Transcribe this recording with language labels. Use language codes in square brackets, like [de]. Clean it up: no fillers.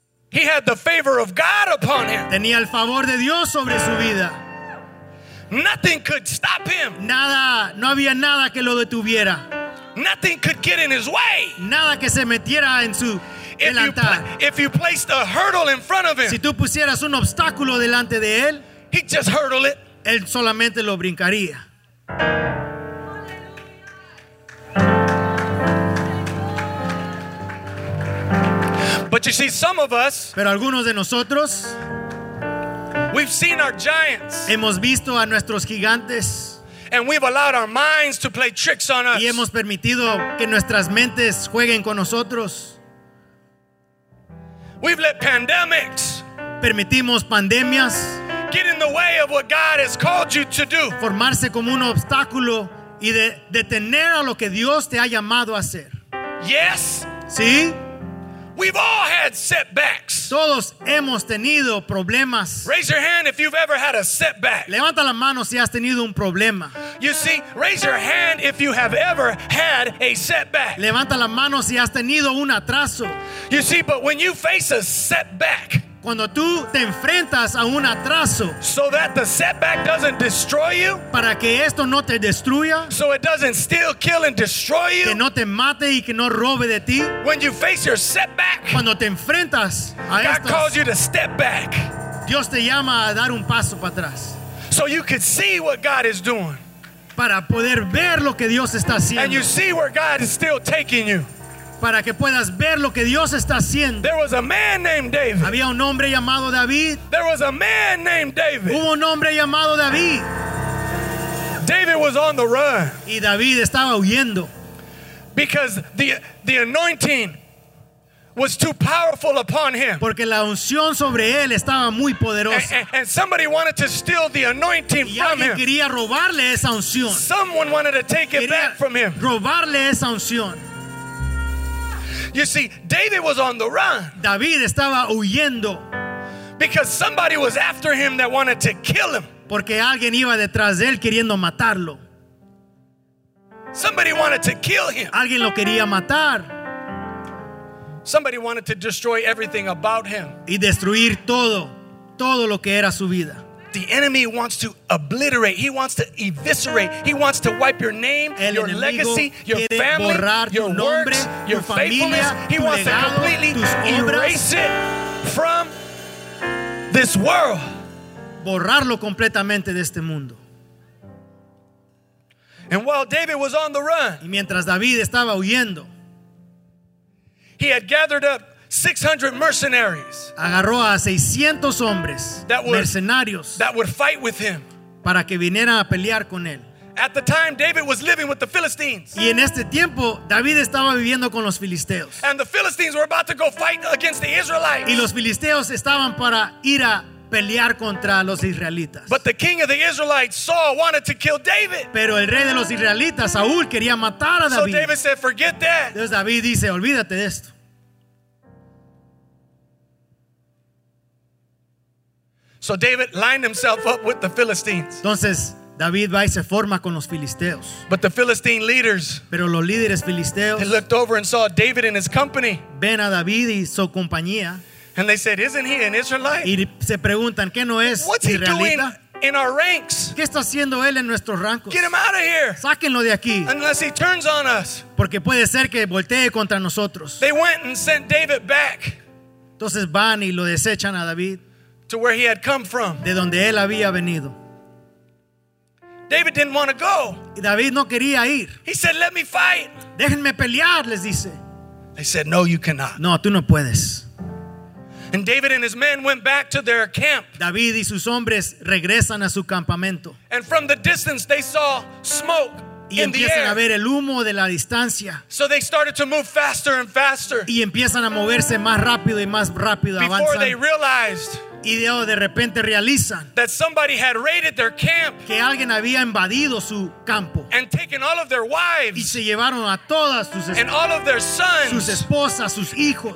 [en] He had the favor of God upon him. [es] Tenía el favor de Dios sobre su vida. [en] Nothing could stop him. [es] Nada, no había nada que lo detuviera. [en] Nothing could get in his way. [es] Nada que se metiera en su delantal. [en] If you placed a hurdle in front of him, [es] si tú pusieras un obstáculo delante de él, [en] he just hurdle it. [es] Él solamente lo brincaría. [en] But you see, some of us, [es] pero algunos de nosotros, [en] we've seen our giants, [es] hemos visto a nuestros gigantes, [en] and we've allowed our minds to play tricks on us, [es] y hemos permitido que nuestras mentes jueguen con nosotros. [en] We've let pandemics, [es] permitimos pandemias, [en] get in the way of what God has called you to do, [es] formarse como un obstáculo y de detener a lo que Dios te ha llamado a hacer. [en] Yes, [es] sí. [en] We've all had setbacks. [es] Todos hemos tenido problemas. [en] Raise your hand if you've ever had a setback. [es] Levanta la mano si has tenido un problema. [en] You see, raise your hand if you have ever had a setback. [es] Levanta la mano si has tenido un atraso. [en] You see, but when you face a setback, [es] cuando tú te enfrentas a un atraso, [en] so that the setback doesn't destroy you, [es] para que esto no te destruya, [en] so it doesn't steal, kill and destroy you, [es] que no te mate y que no robe de ti, [en] when you face your setback, [es] cuando te enfrentas a [en] God estos, calls you to step back, [es] Dios te llama a dar un paso para atrás, [en] so you can see what God is doing, [es] para poder ver lo que Dios está haciendo, [en] and you see where God is still taking you, [es] para que puedas ver lo que Dios está haciendo. [en] There was a man named David. [es] Había un hombre llamado David. [en] There was a man named David. [es] Hubo un hombre llamado David. [en] David was on the run. [es] Y David estaba huyendo. [en] Because the anointing was too powerful upon him. [es] Porque la unción sobre él estaba muy poderosa. [en] And somebody wanted to steal the anointing [es] y alguien [en] from him. [es] Quería robarle esa unción. [en] Someone wanted to take [es] quería [en] it back from him. [es] Robarle esa unción. [en] You see, David was on the run. [es] David estaba huyendo. [en] Because somebody was after him that wanted to kill him. [es] Porque alguien iba detrás de él queriendo matarlo. [en] Somebody wanted to kill him. [es] Alguien lo quería matar. [en] Somebody wanted to destroy everything about him. [es] Y destruir todo, todo lo que era su vida. [en] The enemy wants to obliterate. He wants to eviscerate. He wants to wipe your name, [es] el [en] your legacy, your family, your [es] nombre, [en] works, [es] tu [en] your [es] familia, [en] faithfulness. He [es] tu [en] wants [es] legado, [en] to completely erase it from this world. [es] Borrarlo completamente de este mundo. [en] And while David was on the run, [es] y mientras David estaba huyendo, [en] he had gathered up 600 mercenaries. [es] Agarró a 600 hombres mercenarios [en] that would fight with him. [es] Para que vinieran a pelear con él. [en] At the time, David was living with the Philistines. [es] Y en este tiempo, David estaba viviendo con los filisteos. [en] And the Philistines were about to go fight against the Israelites. [es] Y los filisteos estaban para ir a pelear contra los israelitas. [en] But the king of the Israelites, Saul, wanted to kill David. [es] Pero el rey de los israelitas, Saúl, quería matar a David. [en] So David said, "Forget that." [es] Entonces David dice, "Olvídate de esto." [en] So David lined himself up with the Philistines. [es] Entonces David va y se forma con los filisteos. [en] But the Philistine leaders, [es] pero los líderes filisteos, [en] they looked over and saw David and his company. [es] Ven a David y su compañía. [en] And they said, "Isn't he an Israelite?" [es] Y se preguntan, ¿qué no es [en] What's [es] israelita? [en] He doing in our ranks? [es] ¿Qué está haciendo él en nuestros rancos? [en] Get him out of here. [es] Sáquenlo de aquí. [en] Unless he turns on us. [es] Porque puede ser que voltee contra nosotros. [en] They went and sent David back. [es] Entonces van y lo desechan a David. [en] To where he had come from. [es] De donde él había venido. [en] David didn't want to go. [es] Y David no quería ir. [en] He said, "Let me fight." [es] Déjenme pelear, les dice. [en] They said, "No, you cannot." [es] No, tú no puedes. [en] And David and his men went back to their camp. [es] David y sus hombres regresan a su campamento. [en] And from the distance they saw smoke. [es] Y empiezan a ver el humo de la distancia. [en] So they started to move faster and faster. [es] Y empiezan a moverse más rápido y más rápido. [en] Before [es] avanzan. [en] They realized. [es] Y de repente realizan. [en] That somebody had raided their camp. [es] Que alguien había invadido su campo. [en] And taken all of their wives. [es] Y se llevaron a todas sus [en] and all of their sons. [es] Sus esposas, sus hijos.